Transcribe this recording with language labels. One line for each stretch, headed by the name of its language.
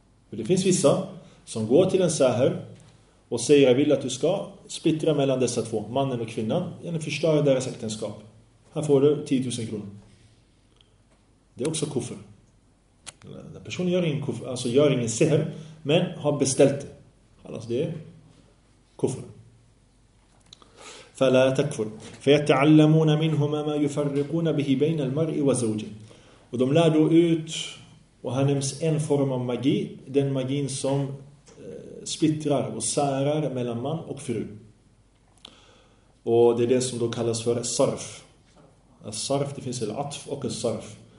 Swedish: För det finns vissa som går till en sahir och säger jag vill att du ska splittra mellan dessa två, mannen och kvinnan, eller förstöra deras äktenskap. Här får du 10 000 kronor. Det är också kufr. Den personen gör ingen kufr, alltså gör ingen sahir, men har beställt det. Alltså det är kufr.
Arabic: فلا تكفر فيتعلمون منهما ما يفرقون به بين المرء وزوجه.
Swedish: Och de lär då ut, och här nämns en form av magi, den magin som splittrar och särar mellan man och fru. Och det är det som då kallas för sarf. Sarf, det finns ett atf och ett sarf.